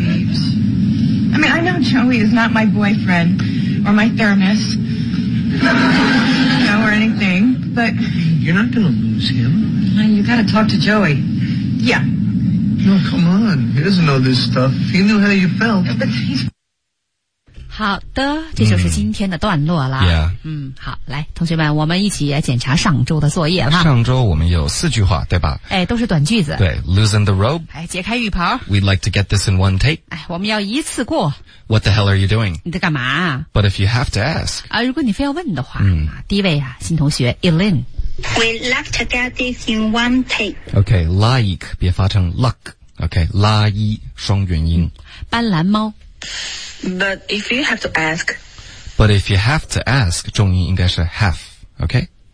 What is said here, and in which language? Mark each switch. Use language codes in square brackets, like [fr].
[en] I mean, I know Joey is not my boyfriend or my thermos, you know, or anything, but... You're not going to lose him. You got to talk to Joey. Yeah. No, come on. He doesn't know this stuff. He knew how you felt. But he's... [zh] 好的，这就是今天的段落了。 [en] Yeah. [zh] 好，来，同学们，我们一起检查上周的作业吧。上周我们有四句话，对吧？哎，都是短句子。 [en] 对 ，loosen the rope。 [zh] 哎，解开浴袍。 [en] We'd like to get this in one take。 [zh] 哎，我们要一次过。 [en] What the hell are you doing？ [zh] 你在干嘛 [en] ？But if you have to ask。 [zh] 啊，如果你非要问的话，第一位啊，新同学 Elin。 [en] We'd like to get this in one take。 Okay， like [zh] 别发成 luck。Okay， 拉一双元音。斑斓猫。 [en] But if you have to ask. But if you have to ask, [zh] 重音应该是 [en] have, okay?